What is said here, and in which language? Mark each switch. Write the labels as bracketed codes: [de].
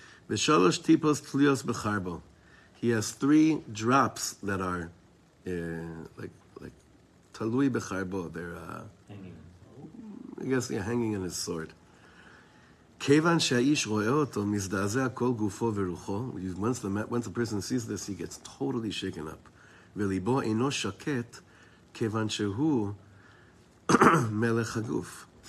[he] ושלוש טיפוס תליאוס בחרבו. [en] He has three drops that are like [he] תלוי בחרבו. [en] They're hanging in his sword. [he] כיוון שהאיש רואה אותו, מזדעזע כל גופו ורוחו. [en] Once a person sees this, he gets totally shaken up. [he] וליבו אינו שקט, כיוון שהוא מלך הגוף.